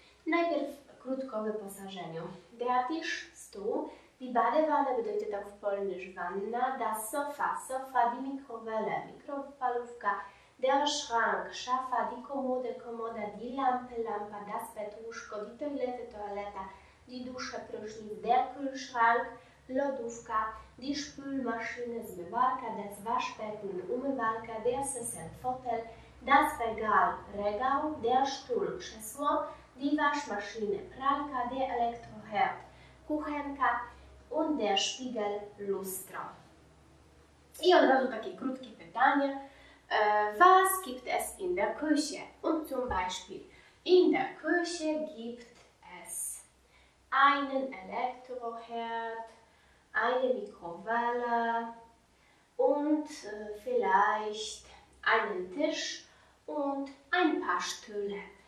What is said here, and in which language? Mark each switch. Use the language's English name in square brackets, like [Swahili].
[Polish] Najpierw krótko o wyposażeniu. [German] Der Tisch, stół. Die Badewanne bedeutet auf Polnisch Wanna, das Sofa, Sofa, die Mikrowelle, Mikrowellenpalufka, der Schrank, Schafa, die Kommode, Kommode, die Lampe, Lampa, das Bett, Łóżko, die Toilette, Toilette, die Dusche, Prysznic, der Kühlschrank, Lodówka, die Spülmaschine, Zmywarka, das Waschbecken, Umywalka, der Sessel, Fotel, das Regal, Regał, der Stuhl, Krzesło, die Waschmaschine, Pralka, der Elektroherd, Kuchenka, und der Spiegel, Lustro. [Polish] I od razu takie krótkie pytanie. [German] Was gibt es in der Küche? Und zum Beispiel. In der Küche gibt es einen Elektroherd, eine Mikrowelle und vielleicht einen Tisch und ein paar Stühle.